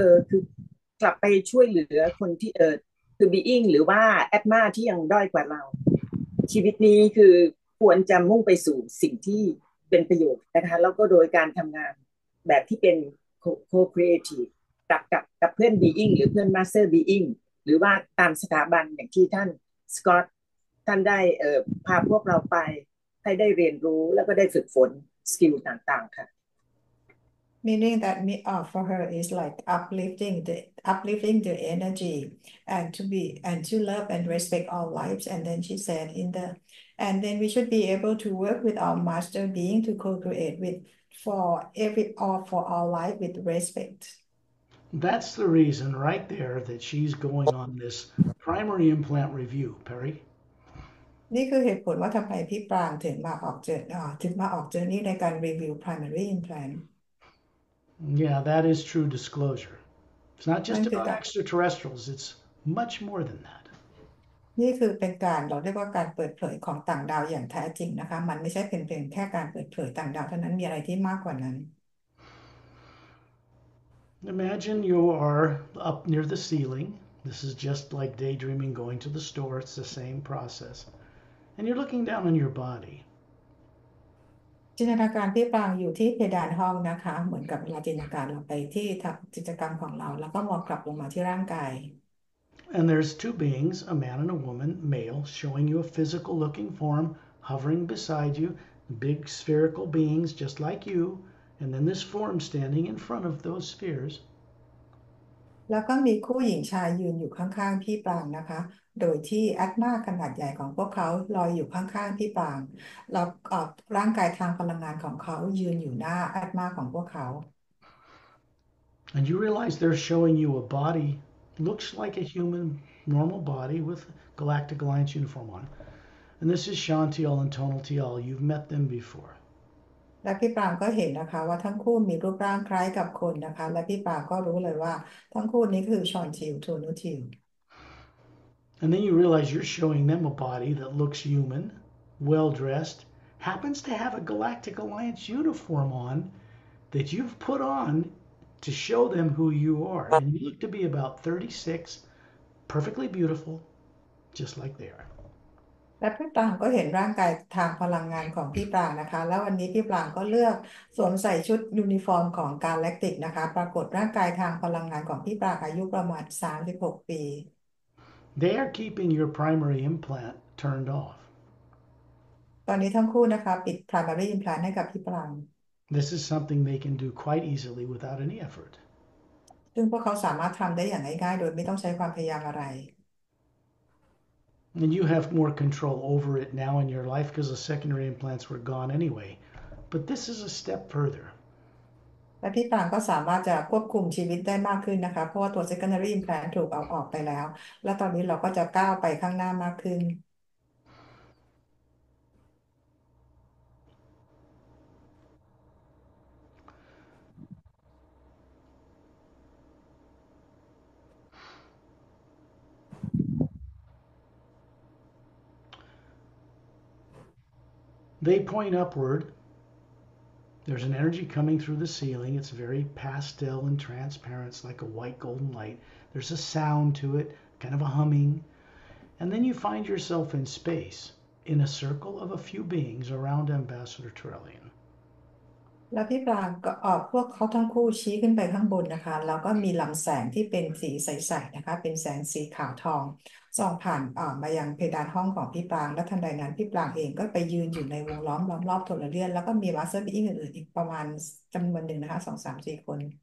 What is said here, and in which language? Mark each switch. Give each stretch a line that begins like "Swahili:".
Thai: คือกลับไปช่วยเหลือคนที่คือบีอิงหรือว่าแอคมาที่ยังด้อยกว่าเราชีวิตนี้คือควรจะมุ่งไปสู่สิ่งที่เป็นประโยชน์นะคะแล้วก็โดยการทำงานแบบที่เป็นโคเครีเอทีฟกับเพื่อนบีอิงหรือเพื่อนมาสเตอร์บีอิงหรือว่าตามสถาบันอย่างที่ท่านสกอตท่านได้พาพวกเราไปให้ได้เรียนรู้แล้วก็ได้ฝึกฝนสกิลต่างๆค่ะ
English: meaning that me for her is like uplifting the energy and to be and to love and respect all lives and then she said in the and then we should be able to work with our master being to co-create with for every all for our life with respect That's the reason right there that she's going on this primary implant review, Perry.
Thai: นี่คือเหตุผลว่าทำไมพี่ปรางถึงมาออกเจอถึงมาออกเจอร์นี่ในการรีวิว primary implant
English: Yeah, that is true disclosure. It's not น จั่ ส น ต์
Thai: คือ
English: บอทเอ็กซ์ตร้าเทอร์เรสเทรียลส์ it's much more than that.
Thai: นี่คือเป็นการเราเรียกว่าการเปิดเผยของต่างดาวอย่างแท้จริงนะคะมันไม่ใช่เป็นเพียงแค่การเปิดเผยต่างดาวเท่านั้นมีอะไรที่มากกว่านั้น
English: Imagine you are up near the ceiling. This is just like daydreaming, going to the store. It's the same process. And you're looking down on your body.
Thai: จินตนาการพี่ปางอยู่ที่เพดานห้องนะคะเหมือนกับเวลาจินตนาการเราไปที่ทำกิจกรรมของเราแล้วก็มองกลับลงมาที่ร่างกาย
English: And there's two beings, a man and a woman, male, showing you a physical looking form, hovering beside you, big spherical beings just like you. And then this form standing in front of those spheres.
Thai: แล้วก็มีคู่หญิงชายยืนอยู่ข้างๆพี่ปรางนะคะโดยที่แอตมาขนาดใหญ่ของพวกเขาลอยอยู่ข้างๆพี่ปรางแล้วร่างกายทางพลังงานของเขายืนอยู่หน้าแอตมาของพวกเขา
English: And you realize they're showing you a body, looks like a human, normal body with Galactic Alliance uniform on. And this is Shaun Teal and Tonal Teal. You've met them before.
Thai: และพี่ปรางก็เห็นนะคะว่าทั้งคู่มีรูปร่างคล้ายกับคนนะคะและพี่ปรางก็รู้เลยว่าทั้งคู่นี้คือชอนทิวทูนูทิว
English: And then you realize you're showing them a body that looks human, well dressed, happens to have a Galactic Alliance uniform on that you've put on to show them who you are. And you look to be about 36, perfectly beautiful, just like they are.
Thai: และพี่ปรางก็เห็นร่างกายทางพลังงานของพี่ปรางนะคะแล้ววันนี้พี่ปรางก็เลือกสวมใส่ชุดยูนิฟอร์มของกาแล็กติกนะคะปรากฏร่างกายทางพลังงานของพี่ปรางอายุประมาณ36ปี
English: They are keeping your primary implant turned off.
Thai: ตอนนี้ทั้งคู่นะคะปิด primary implant ให้กับพี่ปราง
English: This is something they can do quite easily without any effort.
Thai: ซึ่งพวกเขาสามารถทำได้อย่างง่ายๆโดยไม่ต้องใช้ความพยายามอะไร
English: And you have more control over it now in your life because the secondary implants were gone anyway. But this is a step further.
Thai: และพี่ต่างก็สามารถจะควบคุมชีวิตได้มากขึ้นนะคะเพราะว่าตัว secondary implant ถูกเอาออกไปแล้วและตอนนี้เราก็จะก้าวไปข้างหน้ามากขึ้น
English: They point upward. There's an energy coming through the ceiling. It's very pastel and transparent. It's like a white golden light. There's a sound to it, kind of a humming. And then you find yourself in space, in a circle of a few beings around Ambassador Trellian.
Thai: แล้วพี่ปรางก็พวกเขาทั้งคู่ชี้ขึ้นไปข้างบนนะคะแล้วก็มีลำแสงที่เป็นสีใสๆนะคะเป็นแสงสีขาวทองส่องผ่านมายังเพดานห้องของพี่ปรางและทันใดนั้นพี่ปรางเองก็ไปยืนอยู่ในวงล้อมล้อมรอบโทรเลียนแล้วก็มีมาสเตอร์บีอิงอื่นๆอีกประมาณจำนวนหนึ่งนะคะสองสามสี่คน